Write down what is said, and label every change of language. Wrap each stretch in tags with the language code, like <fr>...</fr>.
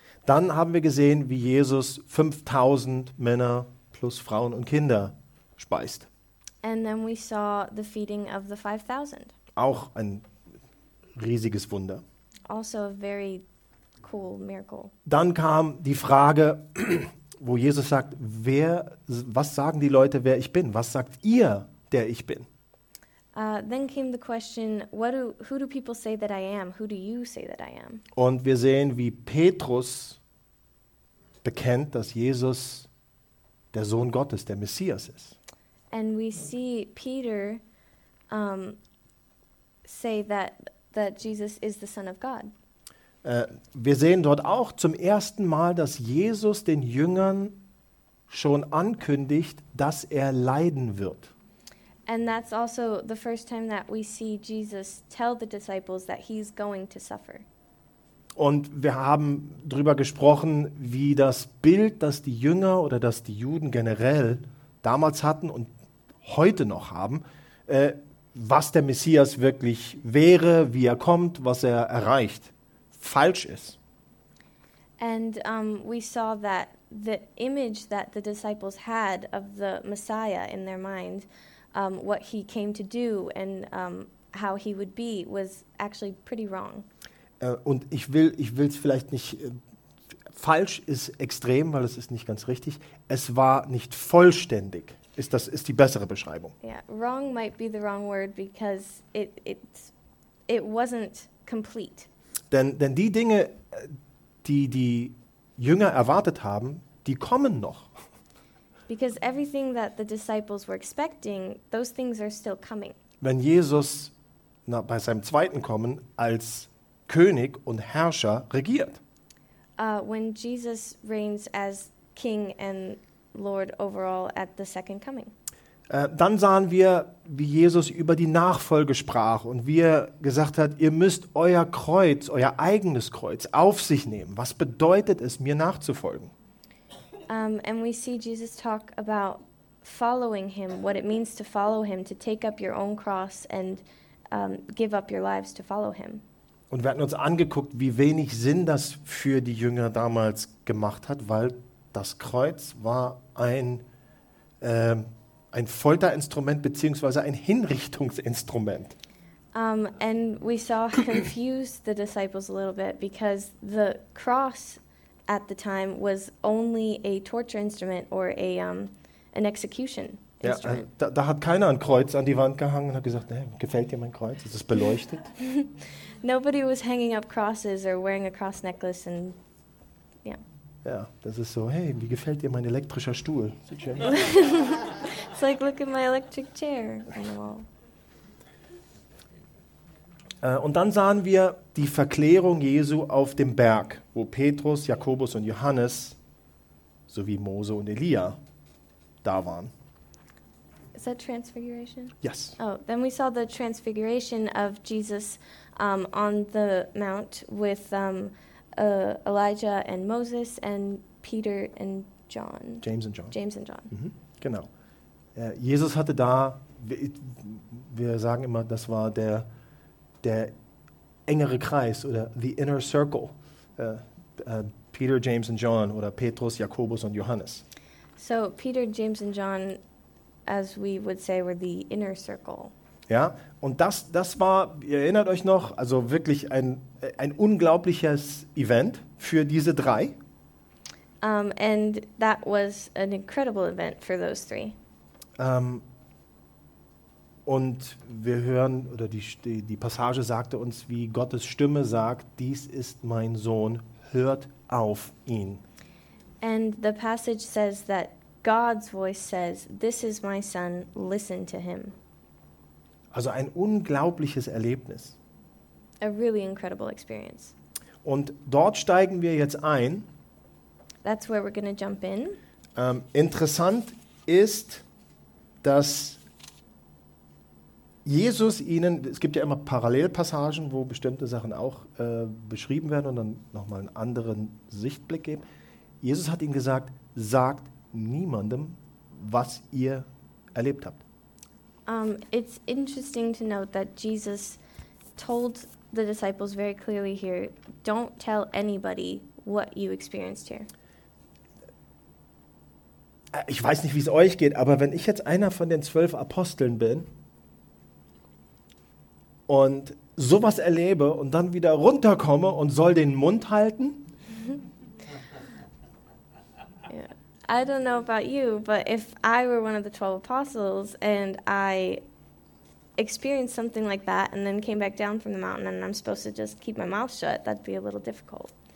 <de>Dann haben wir gesehen, wie Jesus 5000 Männer plus Frauen und Kinder speist.</de> <en>And then we saw the feeding of the 5000.</en> <de>Auch ein riesiges Wunder.</de> <en>Also a very cool miracle.</en> <de>Dann kam die Frage, wo Jesus sagt, was sagen die Leute, wer ich bin? Was sagt ihr, der ich bin?</de> <en>Then came the question, who do people say that I am? Who do you say that I am?</en> <de>Und wir sehen, wie Petrus bekennt, dass Jesus der Sohn Gottes, der Messias ist.</de> <en>And we see Peter say that Jesus is the Son of God.</en> <de>Wir sehen dort auch zum ersten Mal, dass Jesus den Jüngern schon ankündigt, dass er leiden wird.</de> <en>And that's also the first time that we see Jesus tell the disciples that he's going to suffer.</en> <de>Und wir haben drüber gesprochen, wie das Bild, das die Jünger oder das die Juden generell damals hatten und heute noch haben, was der Messias wirklich wäre, wie er kommt, was er erreicht, falsch ist.</de> <en>And we saw that the image that the disciples had of the Messiah in their mind, what he came to do and how he would be, was actually pretty wrong.</en> <de>Und ich will es vielleicht nicht, falsch ist extrem, weil es ist nicht ganz richtig, es war nicht vollständig. Ist die bessere Beschreibung.</de> <en>Yeah, wrong might be the wrong word because it wasn't complete.</en> <de>Denn die Dinge, die Jünger erwartet haben, die kommen noch.</de> <en>Because everything that the disciples were expecting, those things are still coming.</en> <de>Wenn Jesus bei seinem zweiten Kommen als König und Herrscher regiert.</de> <en>When Jesus reigns as King and Lord overall at the second coming.</en> <de>Dann sahen wir, wie Jesus über die Nachfolge sprach und wie er gesagt hat, ihr müsst euer Kreuz, euer eigenes Kreuz auf sich nehmen. Was bedeutet es, mir nachzufolgen?</de> <en>And we see Jesus talk about following him, what it means to follow him, to take up your own cross and give up your lives to follow him.</en> <de>Und wir hatten uns angeguckt, wie wenig Sinn das für die Jünger damals gemacht hat, weil das Kreuz war ein Folterinstrument beziehungsweise ein Hinrichtungsinstrument.</de> <en>And we saw confuse the disciples a little bit because the cross at the time was only a torture instrument or a an execution instrument.</en> <de>Ja, da hat keiner ein Kreuz an die Wand gehangen und hat gesagt, hey, gefällt dir mein Kreuz? Ist es beleuchtet?</de> <en>Nobody was hanging up crosses or wearing a cross necklace and</en> <de>ja, das ist so, hey, wie gefällt dir mein elektrischer Stuhl?</de> <en>It's like, look at my electric chair on the wall.</en> <de>Und dann sahen wir die Verklärung Jesu auf dem Berg, wo Petrus, Jakobus und Johannes sowie Mose und Elia da waren.</de> <en>Is that transfiguration? Yes. Oh, then we saw the transfiguration of Jesus on the mount with Elijah and Moses and Peter and John. James and John. Mhm,</en> <de>genau. Jesus hatte da, wir sagen immer, das war der engere Kreis oder</de> <en>the inner circle. Peter, James and John</en> <de>oder Petrus, Jakobus und Johannes.</de> <en>So Peter, James and John, as we would say, were the inner circle.</en> <de>Ja, und das war, ihr erinnert euch noch, also wirklich ein unglaubliches Event für diese drei.</de> <en>And that was an incredible event for those three.</en> <de>Und wir hören, oder die Passage sagte uns, wie Gottes Stimme sagt, dies ist mein Sohn, hört auf ihn.</de> <en>And the passage says that God's voice says, this is my son, listen to him.</en> <de>Also ein unglaubliches Erlebnis.</de> <en>A really incredible experience.</en> <de>Und dort steigen wir jetzt ein.</de> <en>That's where we're going to jump in.</en> <de>Interessant ist, dass Jesus ihnen, es gibt ja immer Parallelpassagen, wo bestimmte Sachen auch beschrieben werden und dann nochmal einen anderen Sichtblick geben. Jesus hat ihnen gesagt, sagt niemandem, was ihr erlebt habt.</de> <en>It's interesting to note that Jesus told the disciples very clearly here, don't tell anybody what you experienced here.</en> <de>Ich weiß nicht, wie es euch geht, aber wenn ich jetzt einer von den 12 Aposteln bin und sowas erlebe und dann wieder runterkomme und soll den Mund halten.</de> <en>I don't know about you, but if I were one of the 12 apostles and I experienced something like that and then came back down from the mountain and I'm supposed to just keep my mouth shut, that'd be a little difficult.</en>